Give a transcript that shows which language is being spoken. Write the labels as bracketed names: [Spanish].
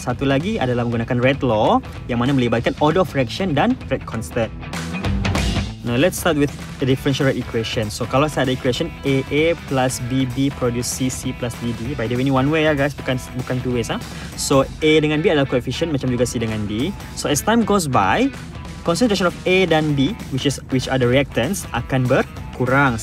[Malay] Satu lagi adalah menggunakan rate law yang mana melibatkan order of reaction dan rate constant. [English] Now, let's start with the differential rate equation. [Malay] So, kalau saya ada equation AA plus BB produce CC plus DD. [English] By the way, ini one way ya guys, [Malay] bukan [English] two ways. [Malay] So, A dengan B adalah coefficient, macam juga C dengan D. [English] So, as time goes by, concentration of A dan B, which are the reactants, [Malay] akan berkurang.